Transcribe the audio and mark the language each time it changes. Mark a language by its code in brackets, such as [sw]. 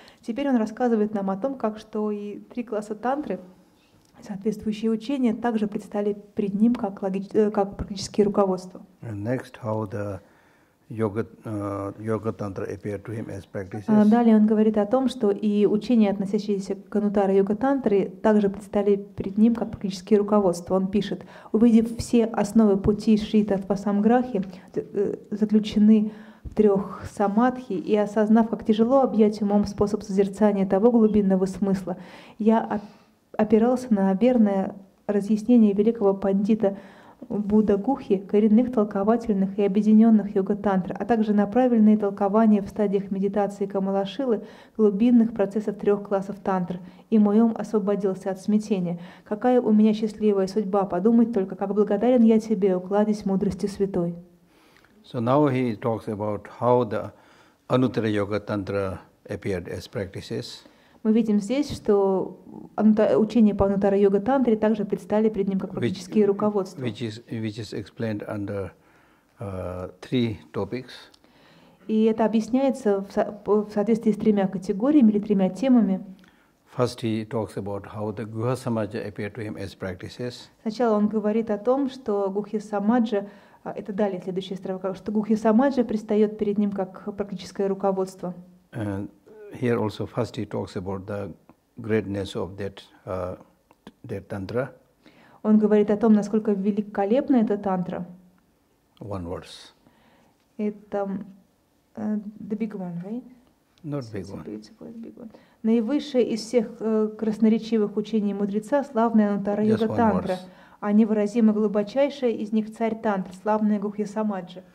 [ru] Теперь он рассказывает нам о том, как что и три класса тантры, соответствующие учения, также предстали перед ним как практическое руководство. [en] And next, how the yoga tantra appeared to him as practices. [ru] Далее он говорит о том, что и учения, относящиеся к анутара йога тантры, также предстали перед ним как практическое руководство. Он пишет, увидев все основы пути Шри Татвасамграхи, заключены в трех самадхи, и осознав, как тяжело объять умом способ созерцания того глубинного смысла, я опирался на верное разъяснение великого пандита Будда Гухи, коренных толковательных и объединенных йога-тантр, а также на правильные толкования в стадиях медитации Камалашилы глубинных процессов трех классов тантр, и мой ум освободился от смятения. Какая у меня счастливая судьба, подумать только, как благодарен я тебе, укладись мудрости святой. [en] So now he talks about how the Anuttara Yoga Tantra appeared as practices. [ru] Мы видим здесь, что учения по Анутара Йога Тантре также предстали перед ним как практические руководства. [en] Which is explained under three topics. [ru] И это объясняется в соответствии с тремя категориями или тремя темами. [en] First he talks about how the Guha Samaja appeared to him as practices. [ru] Сначала он говорит о том, что Гухи Самаджа это далее следующая строка, что Гухи Самаджа предстает перед ним как практическое руководство. [en] Here also first he talks about the greatness of that tantra. [ru] Он говорит о том, насколько великолепна эта тантра. [en] One verse. [ru] Это [en] the big one, right? Not big one. Big one. [ru] Наивысшая из всех красноречивых учений мудреца, славная анутара йога тантра. А невыразимо глубочайшая из них царь тантр, славная Гухи Самаджа.